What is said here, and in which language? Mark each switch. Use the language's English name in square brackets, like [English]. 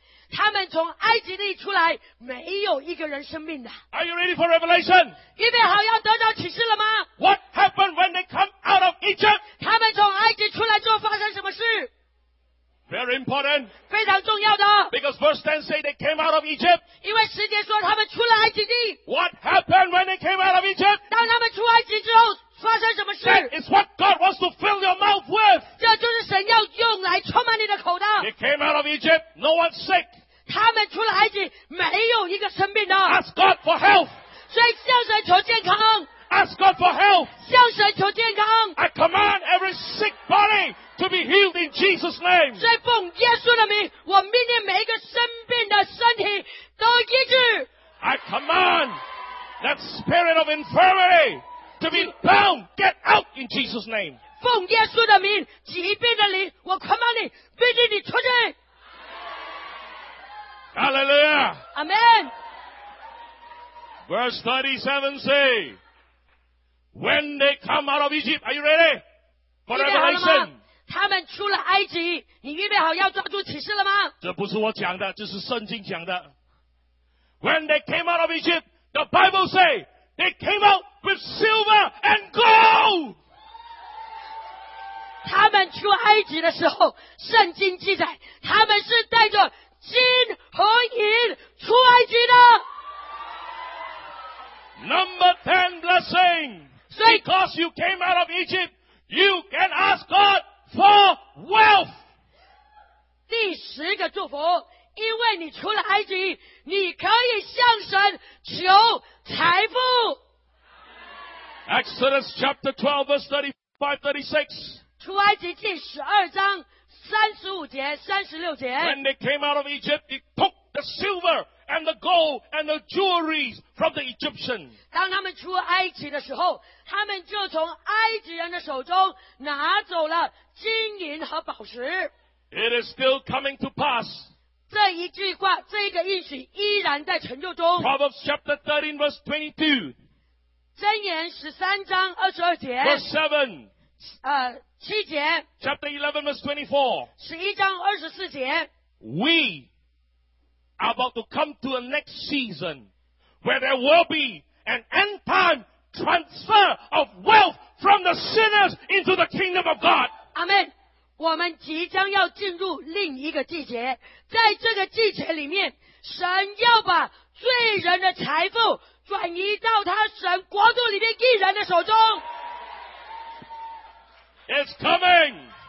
[Chinese] 他们从埃及地出来，没有一个人生病的。 [English] Are you ready for revelation? [Chinese] 预备好要得到启示了吗 [English] ？What happened when they come out of Egypt? [Chinese] 他们从埃及出来之后发生什么事 [English] ？Very important. [Chinese] 非常重要的。 [English] Because verse 10 say they came out of Egypt. [Chinese] 因为十节说他们出了埃及地。 [English] What happened when they came out of Egypt? [Chinese] 当他们出埃及之后发生什么事 [English] ？That is what God wants to fill your mouth with. [Chinese] 这就是神要用来充满你的口的。 [English] They came out of Egypt. No one's sick. [Chinese] 他们出了埃及，没有一个生病的。 [English] Ask God for health. [Chinese] 所以向神求健康。 [English] Ask God for health. [Chinese] 向神求健康。 [English] I command every sick body to be healed in Jesus' name. [Chinese] 所以奉耶稣的名，我命令每一个生病的身体得医治。 [English] I command That spirit of infirmity to be bound, get out in Jesus' name. [Chinese] 奉耶稣的名，疾病的灵，我捆绑你，逼着你出去。 [English] Hallelujah. Amen. Verse 37 say, when they come out of Egypt, are you ready? For revelation. [Chinese] 他们出了埃及，你预备好要抓住启示了吗？这不是我讲的，这是圣经讲的。 [English] When they came out of Egypt, the Bible say, they came out with silver and gold. [Chinese] 他们出埃及的时候，圣经记载，他们是带着金和银出埃及的。 [English] Number 10 blessing. Because you came out of Egypt, you can ask God for wealth. [Chinese] 第十个祝福，因为你出了埃及，你可以向神求财富。 [English] Exodus chapter 12 verse 35, 36. [Chinese] 出埃及记十二章三十五节、三十六节。 [English] When they came out of Egypt, they took the silver and the gold and the jewelry from the Egyptians. [Chinese] 当他们出埃及的时候，他们就从埃及人的手中拿走了金银和宝石。 [English] It is still coming to pass. [Chinese] 这一句话，这一个应许依然在成就中。 [English] Proverbs chapter 13 verse 22. [Chinese] 箴言十三章二十二节。 [English] Verse 7. [Chinese] 七节 [English] Chapter 11 verse 24. [Chinese] 十一章二十四节 [English] We are about to come to a next season where there will be an end time transfer of wealth from the sinners into the kingdom of God. Amen. [Chinese] 我们即将要进入另一个季节，在这个季节里面，神要把罪人的财富转移到他神国度里面义人的手中。 [English] It's coming.